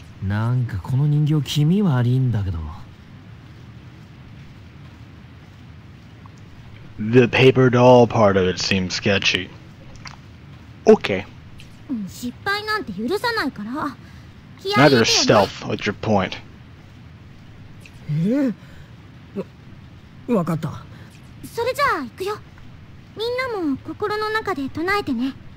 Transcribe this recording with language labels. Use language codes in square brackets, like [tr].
[ja] なんかこの人形気味悪いんだけど。 [en] The paper doll part of it seems sketchy. Okay. [ja] 失敗なんて許さないから。 [en] Neither is stealth, what's your point? [ja] わかった。それじゃあ行くよ。みんなも心の中で唱えてね。